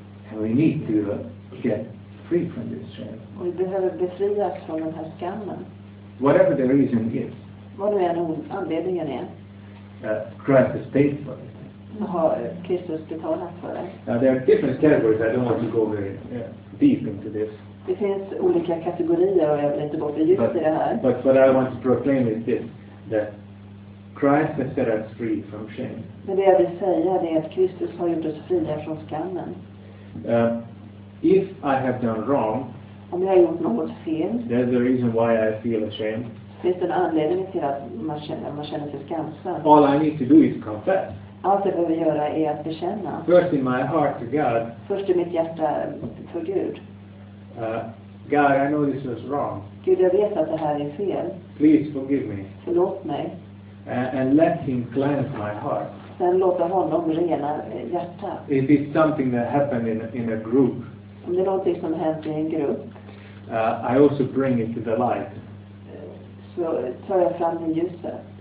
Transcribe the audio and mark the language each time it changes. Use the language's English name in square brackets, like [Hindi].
[English] And we need to get free from this shame. [Swedish] Och vi behöver befrias från den här skammen. [English] Whatever the reason is. [Swedish] Vad är anledningen är. [English] Christ has paid for it. [Swedish] Har Kristus betalat för det. [English] There are different categories. I don't want to go very deep into this. [Swedish] Det finns olika kategorier och jag vill inte gå för djupt i det här. [English] But what I want to proclaim is this. That Christ has set us free from shame. [Swedish] Men det jag vill säga är att Kristus har gjort oss fria från skammen. [English] If I have done wrong, [Swedish] om jag har gjort något fel, [English] there's a reason why I feel ashamed. [Swedish] Finns det en anledning till att man känner sig skamsen? [English] All I need to do is confess. [Swedish] Allt jag behöver göra är att bekänna. [English] First in my heart to God. [Swedish] Först i mitt hjärta för Gud. [English] God, I know this was wrong. [Swedish] Gud, jag vet att det här är fel. [English] Please forgive me. [Swedish] Förlåt mig. [English] And let him cleanse my heart. [Swedish] Sen låta honom rena hjärta. [English] If it's something that happened in a group. [Swedish] Om det är någonting som hänt i en grupp. [English] I also bring it to the light. [Swedish] Så tar jag fram det ljuset.